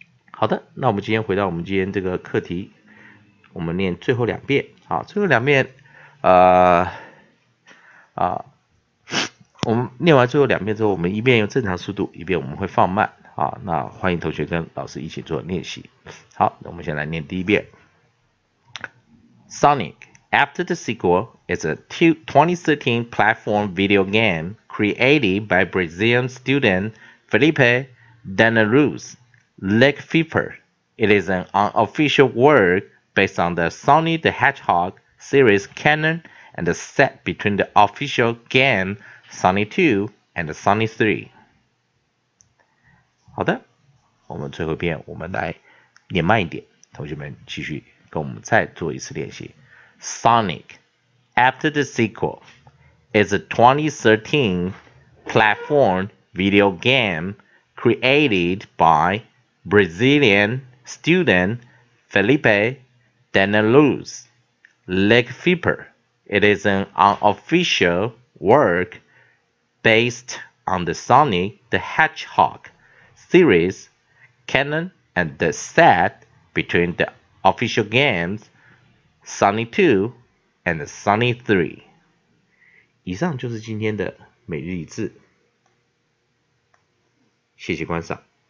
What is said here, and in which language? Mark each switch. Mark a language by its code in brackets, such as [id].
[zh] 好的，那我们今天回到我们今天这个课题，我们念最后两遍、啊、最后两遍我们念完最后两遍之后，我们一边用正常速度，一边我们会放慢啊。那欢迎同学跟老师一起做练习。好，那我们先来念第一遍。 [en] Sonic After the Sequel is a 2013 platform video game created by Brazilian student Felipe Danarus Lake Fever. It is an unofficial work based on the Sonic the Hedgehog series canon. And the set between the official game Sonic 2 and Sonic 3。 [zh] 好的，我们最后一遍，我们来念慢一点，同学们继续跟我们再做一次练习。 Sonic After the Sequel is a 2013 platform video game created by Brazilian student Felipe Danarus Lake Fever. It is an unofficial work based on the Sonic the Hedgehog series canon and the set between the official games Sonic 2 and Sonic 3. 以上就是今天的每日一字。谢谢观赏。